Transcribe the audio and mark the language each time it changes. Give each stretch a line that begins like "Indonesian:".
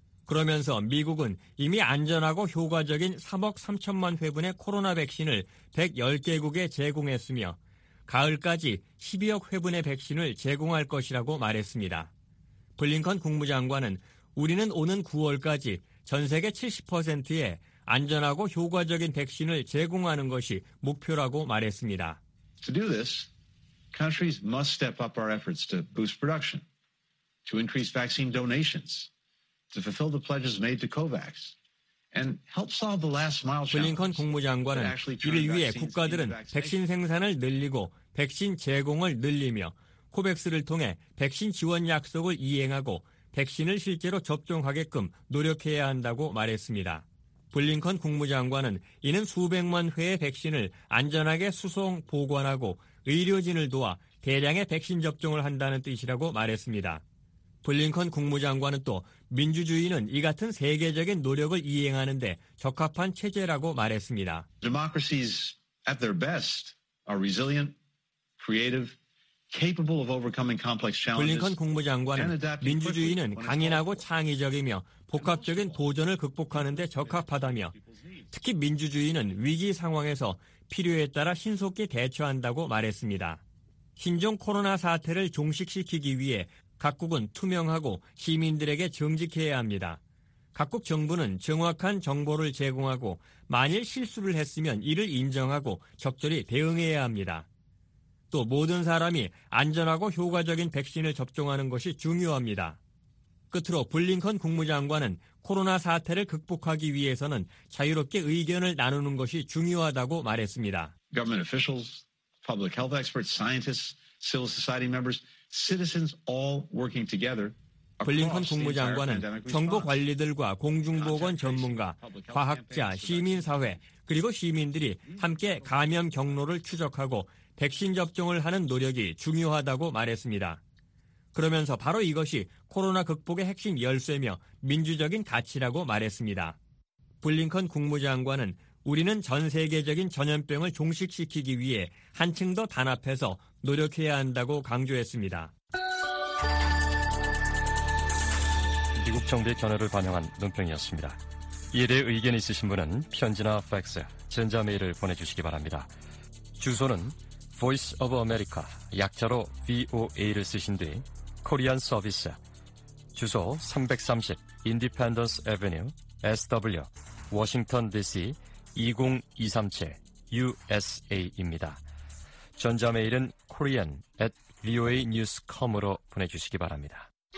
Korean: 그러면서 미국은 이미 안전하고 효과적인 3억 3천만 회분의 코로나 백신을 110개국에 제공했으며 가을까지 12억 회분의 백신을 제공할 것이라고 말했습니다. 블링컨 국무장관은 우리는 오는 9월까지 전 세계 70%에 안전하고 효과적인 백신을 제공하는 것이 목표라고 말했습니다.
English: To do this, countries must step up our efforts to boost production, to increase vaccine donations. To fulfill the pledges made to COVAX and help solve the last mile challenge.
Korean: 블링컨 국무장관은 이를 위해 국가들은 백신 생산을 늘리고 백신 제공을 늘리며 코백스를 통해 백신 지원 약속을 이행하고 백신을 실제로 접종하게끔 노력해야 한다고 말했습니다. 블링컨 국무장관은 이는 수백만 회의 백신을 안전하게 수송, 보관하고 의료진을 도와 대량의 백신 접종을 한다는 뜻이라고 말했습니다. 블링컨 국무장관은 또 민주주의는 이 같은 세계적인 노력을 이행하는 데 적합한 체제라고 말했습니다.
English: Democracies at their best are resilient, creative, capable of overcoming complex challenges.
Korean: 블링컨 국무장관은 민주주의는 강인하고 창의적이며 복합적인 도전을 극복하는 데 적합하다며 특히 민주주의는 위기 상황에서 필요에 따라 신속히 대처한다고 말했습니다. 신종 코로나 사태를 종식시키기 위해 각국은 투명하고 시민들에게 정직해야 합니다. 각국 정부는 정확한 정보를 제공하고 만일 실수를 했으면 이를 인정하고 적절히 대응해야 합니다. 또 모든 사람이 안전하고 효과적인 백신을 접종하는 것이 중요합니다. 끝으로 블링컨 국무장관은 코로나 사태를 극복하기 위해서는 자유롭게 의견을 나누는 것이 중요하다고 말했습니다.
English: Government officials, public health experts, scientists, civil society members, citizens all working together.
Korean: 블링컨 국무장관은 정부 관리들과 공중보건 전문가, 과학자, 시민사회, 그리고 시민들이 함께 감염 경로를 추적하고 백신 접종을 하는 노력이 중요하다고 말했습니다. 그러면서 바로 이것이 코로나 극복의 핵심 열쇠며 민주적인 가치라고 말했습니다. 블링컨 국무장관은 우리는 전 세계적인 전염병을 종식시키기 위해 한층 더 단합해서 노력해야 한다고 강조했습니다. 미국 정부의 견해를 반영한 논평이었습니다. 이에 대해 의견이 있으신 분은 편지나 팩스, 전자메일을 보내주시기 바랍니다. 주소는 Voice of America, 약자로 VOA를 쓰신 뒤 Korean Service, 주소 330 Independence Avenue, SW, Washington DC 20237 USA입니다. 전자메일은 korean@voanews.com으로 보내주시기 바랍니다.